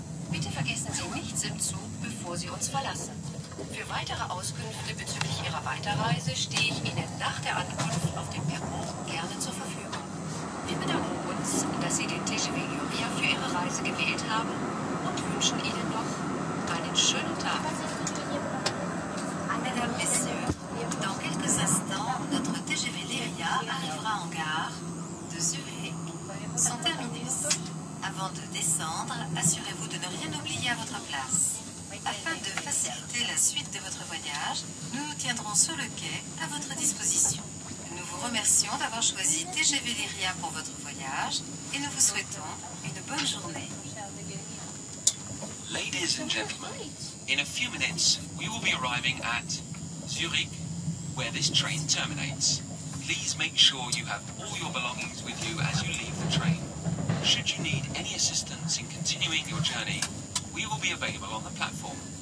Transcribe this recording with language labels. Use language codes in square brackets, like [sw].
[de] Bitte vergessen Sie nichts im Zug, bevor Sie uns verlassen. Für weitere Auskünfte bezüglich Ihrer Weiterreise stehe ich Ihnen nach der Ankunft auf dem Perron gerne zur Verfügung. Wir bedanken uns, dass Sie den TGV Lyria für Ihre Reise gewählt haben und wünschen Ihnen noch einen schönen Tag. [fr] Mesdames, Messieurs, dans quelques instants, notre TGV Lyria arrivera en gare de Zurich. Son terminus. Avant de descendre, assurez-vous de ne rien oublier à votre place. Afin de faciliter la suite de votre voyage, nous nous tiendrons sur le quai à votre disposition. Nous vous remercions d'avoir choisi TGV Lyria pour votre voyage et nous vous souhaitons une bonne journée. [en] Ladies and gentlemen, in a few minutes, we will be arriving at Zurich, where this train terminates. Please make sure you have all your belongings with you as you leave the train. Should you need any assistance in continuing your journey, we will be available on the platform.